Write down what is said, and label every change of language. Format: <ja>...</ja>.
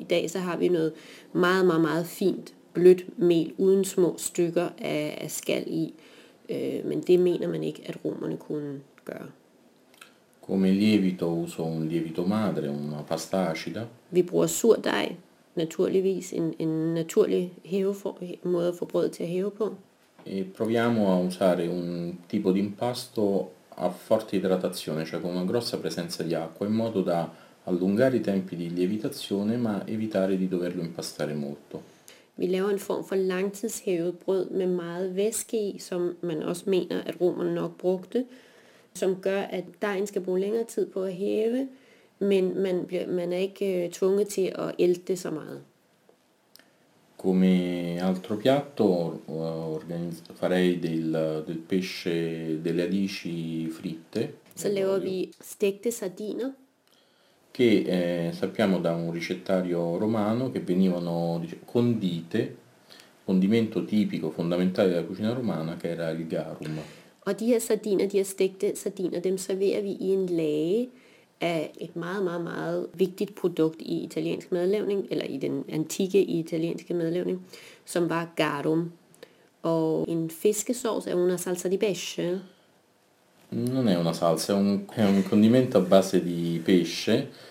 <da>I dag så har vi noget meget, meget, meget fint blødt mel uden små stykker af skal i. Men det mener man ikke, at romerne kunne gøre.</da> <it>Come lievito uso un lievito madre, una pasta acida.</it> <da>Vi bruger surdej, naturligvis en naturlig måde at få brød til at hæve på.</da> <it>E proviamo a usare un tipo di impasto a forte idratazione, cioè con una grossa presenza di acqua, in modo da allungare i tempi di lievitazione, ma evitare di doverlo impastare molto.</it> <da>Vi laver en form for langtidshævet brød med meget væske i, som man også mener, at romerne nok brugte, som gør, at dejen skal bruge længere tid på at hæve, men man er ikke tvunget til at ælte så meget.</da> <it>Come altro piatto farei del pesce, delle radici fritte.</it> <da>Så laver vi stekte sardiner.</da> <it>Che sappiamo da un ricettario romano che venivano condite, condimento tipico fondamentale della cucina romana che era il garum.</it> <da>Og de her sardiner, de her stekte sardiner, dem serverer vi i en lage af et meget, meget, meget vigtigt produkt i italiensk madlavning, eller i den antikke italienske madlavning, som var garum. Og en fiskesauce er</da> <it>una salsa di pesce. Non è una salsa, è un condimento a base di pesce.</it>